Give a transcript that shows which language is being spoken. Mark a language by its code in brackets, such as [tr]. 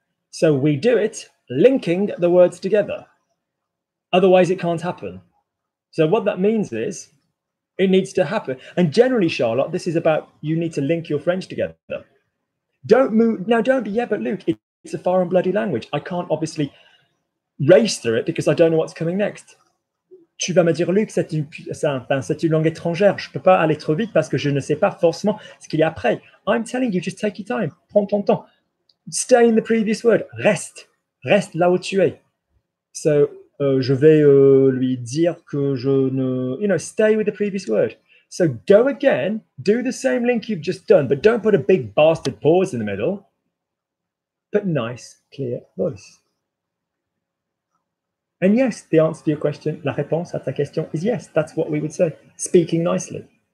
[en] So we do it linking the words together. Otherwise, it can't happen. So what that means is it needs to happen. And generally, Charlotte, this is about you need to link your French together. Don't move. Now, don't. Yeah, but Luke, it's a foreign bloody language. I can't obviously race through it because I don't know what's coming next. [fr] Tu vas me dire, Luc, c'est une langue étrangère. Je ne peux pas aller trop vite parce que je ne sais pas forcément ce qu'il y a après. [en] I'm telling you, just take your time. [fr] Prends ton temps. [en] Stay in the previous word. [fr] Reste. Reste là où tu es. So, je vais lui dire que je ne... [en] You know, stay with the previous word. So, go again. Do the same link you've just done, but don't put a big bastard pause in the middle. But nice, clear voice. And yes, the answer to your question, [fr] la réponse à ta question, [en] is yes. That's what we would say, speaking nicely.